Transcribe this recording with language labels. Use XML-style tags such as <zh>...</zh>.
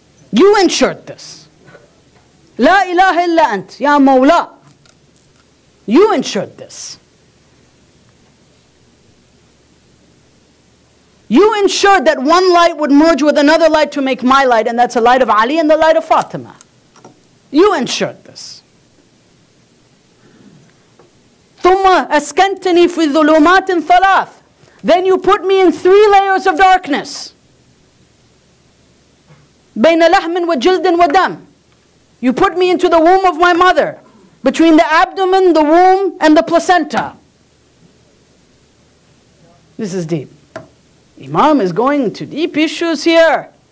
<en>You ensured this.</en> <ar>La ilaha illa ant, ya Mawla.</ar> <en>You ensured this. You ensured that one light would merge with another light to make my light, and that's the light of Ali and the light of Fatima. You ensured this.</en> <ar>ثم أسكنتني في ظلمات ثلاث.</ar> <en>Then you put me in three layers of darkness.</en> <ar>بين لحم وجلد ودم.</ar> <en>You put me into the womb of my mother, between the abdomen, the womb, and the placenta. This is deep. Imam is going to deep issues here.</en>